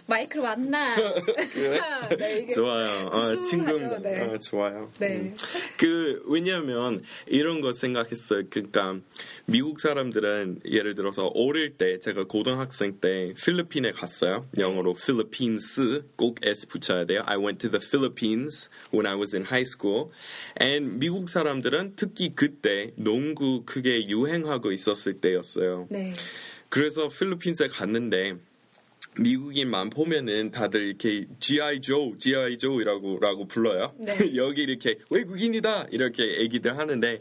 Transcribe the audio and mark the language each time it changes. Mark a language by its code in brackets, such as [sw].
[ko] 마이크를 만나 그래? 네, 좋아요 아, 친구 네. 아, 좋아요 네. 그 왜냐하면 이런 거 생각했어요 그러니까 미국 사람들은 예를 들어서 어릴 때 제가 고등학생 때 필리핀에 갔어요. 영어로 Philippines 꼭 S 붙여야 돼요. [en] I went to the Philippines when I was in high school. And [ko] 미국 사람들은 특히 그때 농구 크게 유행하고 있었을 때였어요. 네. 그래서 필리핀에 갔는데 미국인만 보면은 다들 이렇게 G.I. Joe, G.I. Joe이라고 불러요. 네. 여기 이렇게 외국인이다 이렇게 얘기들 하는데